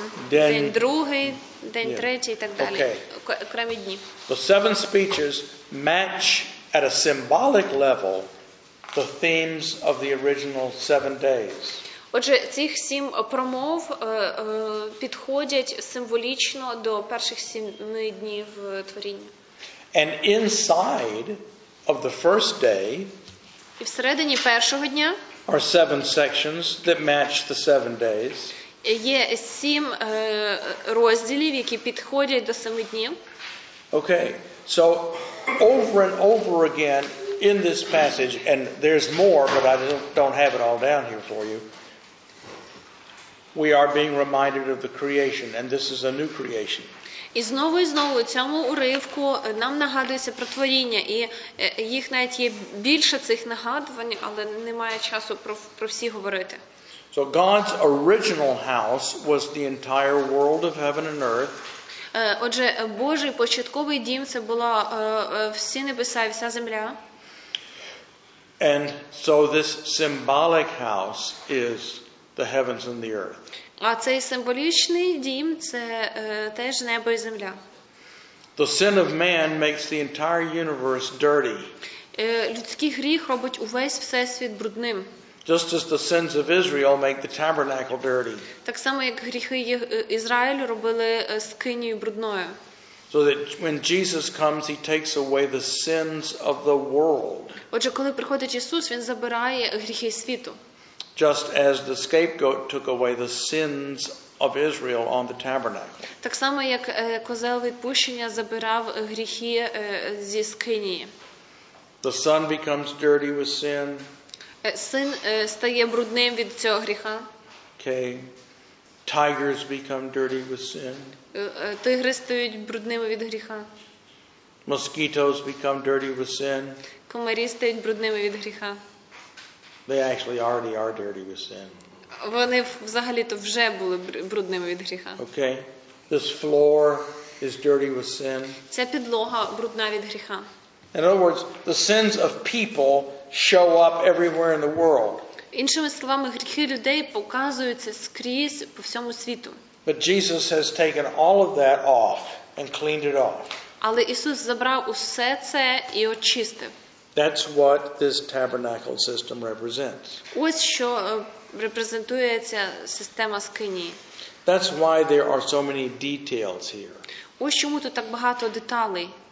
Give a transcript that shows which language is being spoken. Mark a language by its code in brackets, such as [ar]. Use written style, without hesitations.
[uk] день другий, день третій і так далі. Окей. Окремі дні. [en] The seven speeches match at a symbolic level the themes of the original seven days. [uk] Отже, цих сім промов підходять символічно до перших семи днів творіння. [en] And inside of the first day, [uk] і всередині першого дня, [en] are seven sections that match the seven days. [uk] Є сім розділів, які підходять до семи днів. [en] Okay. So over and over again in this passage, and there's more, but I don't have it all down here for you. We are being reminded of the creation, and this is a new creation. [uk] І знову цьому уривку нам нагадується про творіння, і їх навіть є більше цих нагадувань, але немає часу про всі говорити. [en] So God's original house was the entire world of heaven and earth. [uk] Отже, Божий початковий дім це була всі небеса і вся земля. [en] And so this symbolic house is the heavens and the earth. [uk] А цей символічний дім це теж небо і земля. [en] The sin of man makes the entire universe dirty. [uk] Людський гріх робить увесь всесвіт брудним. [en] Just as the sins of Israel make the tabernacle dirty. [uk] Так само як гріхи Ізраїлю робили скинію брудною. [en] So that when Jesus comes, he takes away the sins of the world. [uk] Отже, коли приходить Ісус, він забирає гріхи світу. [en] Just as the scapegoat took away the sins of Israel on the tabernacle. [uk] Так само як козел відпущення забирав гріхи зі скинії. [en] The son becomes dirty with sin. [uk] Син стає брудним від цього гріха. [en] Okay. Tigers become dirty with sin. [uk] Тигри стають брудними від гріха. [en] Mosquitoes become dirty with sin. [uk] Комарі стають брудними від гріха. [en] They actually already are dirty with sin. [uk] Вони взагалі-то вже були брудними від гріха. [en] Okay. This floor is dirty with sin. [uk] Ця підлога брудна від гріха. [en] In other words, the sins of people show up everywhere in the world. [uk] Іншими словами, гріхи людей показуються скрізь по всьому світу. [en] But Jesus has taken all of that off and cleaned it off. [uk] Але Ісус забрав усе це і очистив. [en] That's what this tabernacle system represents. [uk] Ось що репрезентує ця система скинії. [en] That's why there are so many details here. [uk] Ось чому тут так багато деталей.